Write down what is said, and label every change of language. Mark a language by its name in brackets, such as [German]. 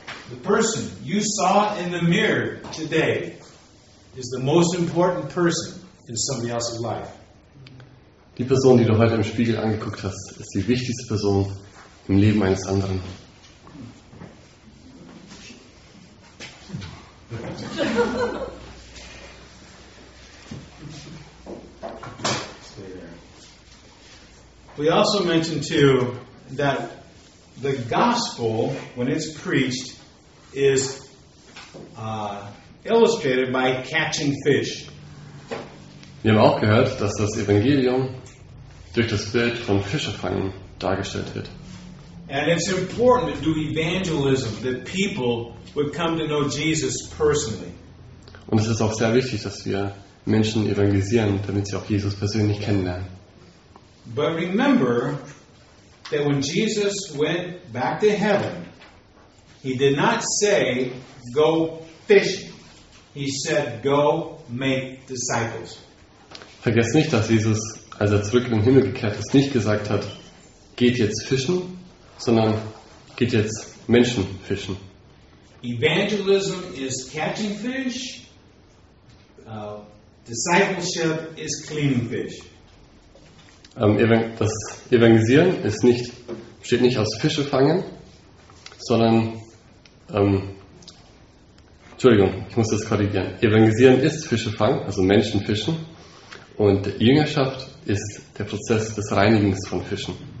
[English] The person you saw in the mirror today is the most important person in somebody else's life. [German] Die Person, die du heute im Spiegel angeguckt hast, ist die wichtigste Person im Leben eines anderen. [English] We also mentioned too that the gospel, when it's preached, is illustrated by catching fish. [German] Wir haben auch gehört, dass das Evangelium durch das Bild von Fischefangen dargestellt wird. [English] And it's important to do evangelism that people would come to know Jesus personally. [German] Und es ist auch sehr wichtig, dass wir Menschen evangelisieren, damit sie auch Jesus persönlich kennenlernen. [English] But remember that when Jesus went back to heaven, he did not say go fishing. He said go make disciples. [German] Vergesst nicht, dass Jesus, als er zurück in den Himmel gekehrt ist, nicht gesagt hat, geht jetzt fischen, sondern geht jetzt Menschen fischen. [English] Evangelism is catching fish. Discipleship is cleaning fish. [German] Das Evangelisieren ist nicht, besteht nicht aus Fische fangen, sondern Entschuldigung, ich muss das korrigieren. Evangelisieren ist Fische fangen, also Menschen fischen. Und Jüngerschaft ist der Prozess des Reinigens von Fischen.